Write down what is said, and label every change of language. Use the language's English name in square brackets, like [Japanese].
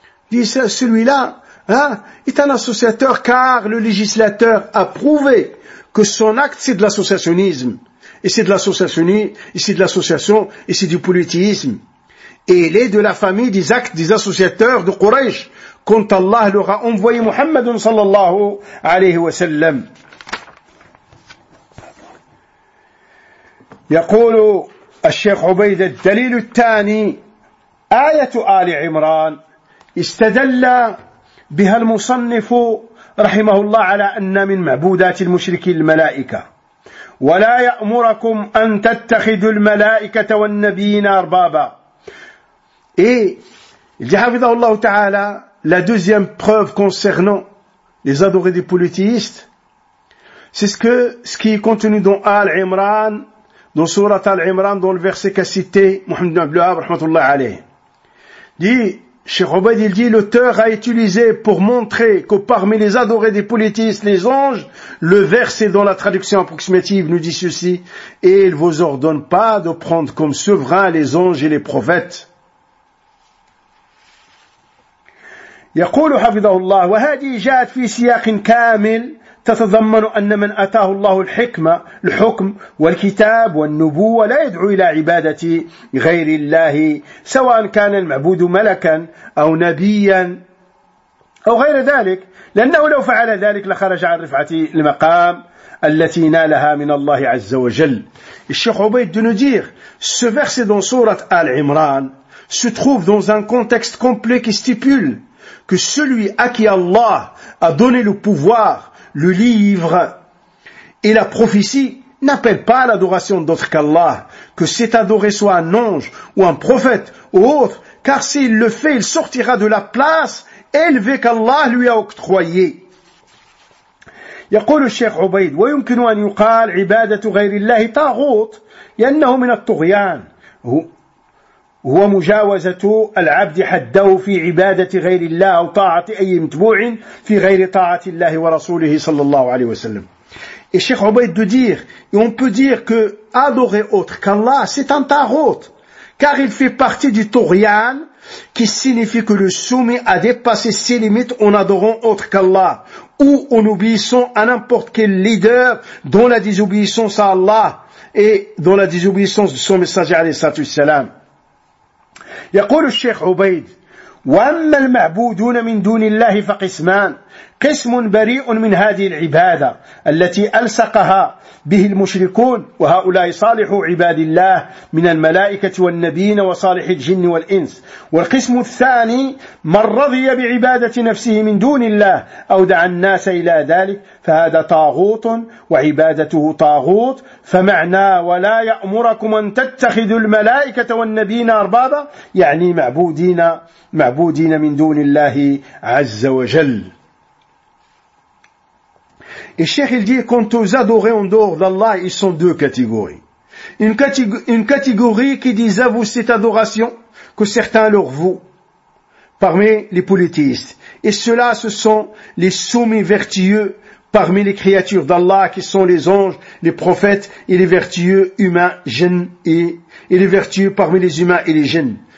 [French] Dit celui-là, est un associateur car le législateur a prouvé que son acte c'est de l'associationnisme et c'est de l'associationnisme et c'est de l'association et c'est du polythéisme. Et il est de la famille des actes des associateurs de Quraysh quand Allah leur a envoyé Muhammad [Arabic] sallallahu alayhi wa sallam. يقول الشيخ عبيد الدليل الثاني آية آل عمران استدل بها المصنف رحمه الله على أن من معبودات المشركين الملائكة، ولا يأمركم أن تتخذوا الملائكة والنبيين أربابا. إيه حفظه الله تعالى [French] la deuxième preuve concernant les adorés des polythéistes c'est ce qui est contenu dans Al Imran dans sourate Al Imran dans le verset qu'a cité Mohamed ibn Abdullah [Arabic] rahmatullah alayh [French] dit Cheikh Obed, il dit, l'auteur a utilisé pour montrer que parmi les adorés des polythéistes, les anges, le verset dans la traduction approximative nous dit ceci, et il vous ordonne pas de prendre comme souverain les anges et les prophètes. [Arabic] يقول حفظه الله وهذه جاءت في سياق كامل تتضمن أن من أتاه الله الحكمة الحكم والكتاب والنبوة لا يدعو إلى عبادة غير الله سواء كان المعبود ملكا أو نبيا أو غير ذلك، لأنه لو فعل ذلك لخرج عن رفعة المقام التي نالها من الله عز وجل. الشيخ عبيد دنودير [French] ce verset dans sourate Al Imran se trouve dans un contexte complet qui stipule que celui à qui Allah a donné le pouvoir, le livre et la prophétie n'appellent pas à l'adoration d'autre qu'Allah, que cet adoré soit un ange ou un prophète ou autre, car s'il le fait, il sortira de la place élevée qu'Allah lui a octroyée. [Arabic] يقول الشيخ عبيد ويمكن أن يقال عبادة غير الله طاغوت لأنه من الطغيان هو مجاوزة العبد حده في عبادة غير الله أو طاعة أي متبوع في غير طاعة الله ورسوله صلى الله عليه وسلم. [French] Et Cheikh Obeid de dire, et on peut dire que adorer autre qu'Allah, c'est un tarot, car il fait partie du tourian, qui signifie que le soumis a dépassé ses limites en adorant autre qu'Allah, ou en obéissant à n'importe quel leader dans la désobéissance à Allah et dans la désobéissance de son messager [Arabic] alayhi salatu wassalam. يقول الشيخ عبيد وأما المعبودون من دون الله فقسمان قسم بريء من هذه العبادة التي ألصقها به المشركون، وهؤلاء صالح عباد الله من الملائكة والنبيين وصالح الجن والإنس. والقسم الثاني من رضي بعبادة نفسه من دون الله أو دعا الناس إلى ذلك، فهذا طاغوت وعبادته طاغوت. فمعنى ولا يأمركم أن تتخذوا الملائكة والنبيين أربابا، يعني معبودين من دون الله عز وجل. [French] Et cher, il dit, quant aux adorés en dehors d'Allah, ils sont deux catégories. Une catégorie qui désavoue cette adoration que certains leur vouent parmi les polythéistes. Et ceux-là, ce sont les soumis vertueux parmi les créatures d'Allah, qui sont les anges, les prophètes et les vertueux humains, jinns, et les vertueux parmi les humains et les jinns.